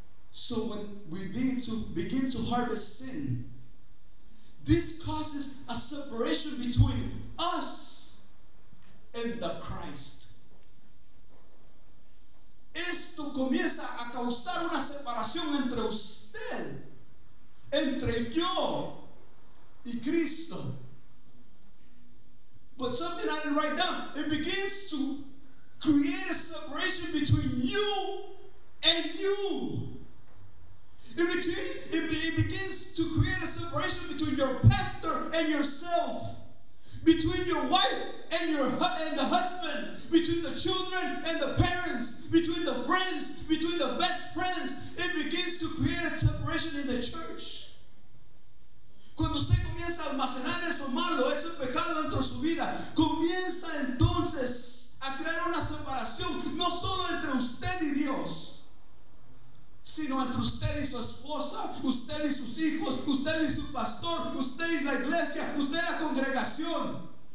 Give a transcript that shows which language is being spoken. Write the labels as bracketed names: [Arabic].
[English] So when we begin to harvest sin, this causes a separation between us and the Christ. [Spanish] Esto comienza a causar una separación entre usted, entre yo y Cristo. [English] But something I didn't write down, it begins to create a separation between you and you. It begins to create a separation between your pastor and yourself. Between your wife and the husband, between the children and the parents, between the friends, between the best friends, it begins to create a separation in the church. [Spanish] Cuando usted comienza a almacenar eso malo, ese pecado dentro de su vida, comienza entonces a crear una separación, no solo entre usted y Dios, sino entre usted y su esposa, usted y sus hijos, usted y su pastor, usted y la iglesia, usted y la congregación.